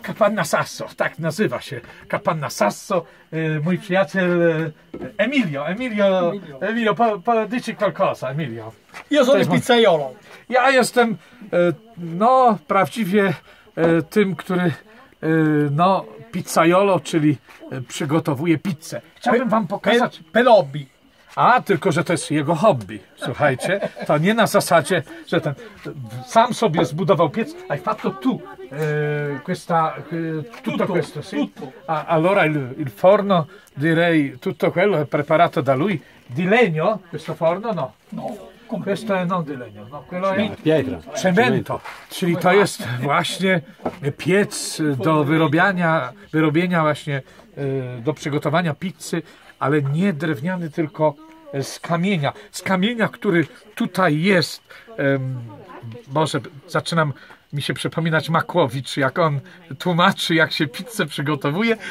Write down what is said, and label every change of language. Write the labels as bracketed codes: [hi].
[pl] Capanna Sasso, tak nazywa się. Capanna Sasso, mój przyjaciel Emilio. [it] Emilio, dici qualcosa, Emilio. Io sono pizzaiolo. [pl] Ja jestem, no, prawdziwie tym, który, no, pizzaiolo, czyli przygotowuje pizzę. Chciałbym wam pokazać... Pelobi. A, tylko że to jest jego hobby, słuchajcie. To nie na zasadzie, że ten sam sobie zbudował piec. [it] Hai fatto tu, questa, tutto questo, sì? A, allora il forno, direi, tutto quello è preparato da lui. Di legno, questo forno, no? No. Questo è non di legno, no, quello è pietra. [pl] Cemento, czyli to jest właśnie piec do wyrobienia właśnie, do przygotowania pizzy. Ale nie drewniany, tylko z kamienia. Z kamienia, który tutaj jest. Boże, zaczynam mi się przypominać Makłowicz, jak on tłumaczy, jak się pizzę przygotowuje.